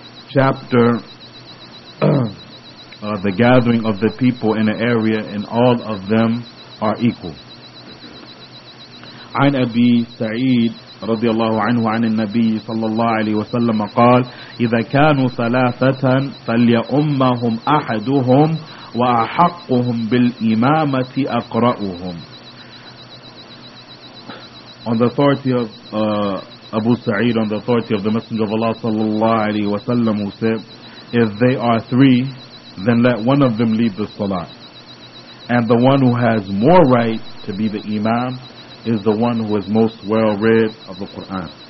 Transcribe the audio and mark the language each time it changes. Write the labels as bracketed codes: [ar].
[en] Chapter the gathering of the people in an area, and all of them are equal. [ar] عن أبي سعيد رضي الله عنه عن النبي صلى الله عليه وسلم قال إذا كانوا ثلاثة فليؤمهم أحدهم وأحقهم بالإمامة أقرأهم. [en] On the authority of Abu Sa'id, on the authority of the Messenger of Allah sallallahu alayhi wa sallam, who said, if they are three, then let one of them lead the salah. And the one who has more right to be the imam is the one who is most well read of the Quran.